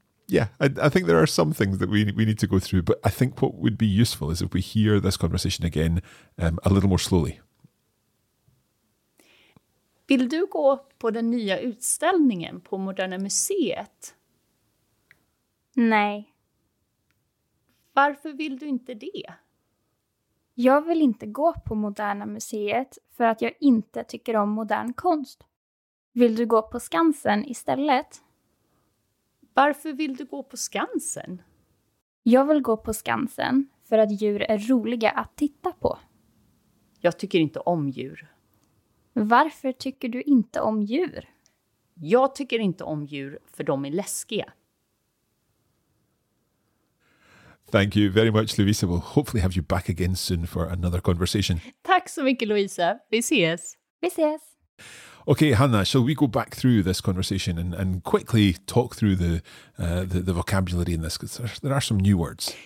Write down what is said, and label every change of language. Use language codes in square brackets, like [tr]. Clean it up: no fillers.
[en] Yeah, I think there are some things that we need to go through, but I think what would be useful is if we hear this conversation again a little more slowly. [sv] Vill du gå på den nya utställningen på Moderna Museet? Nej. Varför vill du inte det? Jag vill inte gå på Moderna Museet för att jag inte tycker om modern konst. Vill du gå på Skansen istället? Varför vill du gå på Skansen? Jag vill gå på Skansen för att djur är roliga att titta på. Jag tycker inte om djur. Varför tycker du inte om djur? Jag tycker inte om djur för de är läskiga. [en] Thank you very much, Louisa. We'll hopefully have you back again soon for another conversation. [sv] Tack så mycket, Louisa. Vi ses. Vi ses. [en] Okay, Hannah, shall we go back through this conversation and quickly talk through the vocabulary in this? Because there are some new words.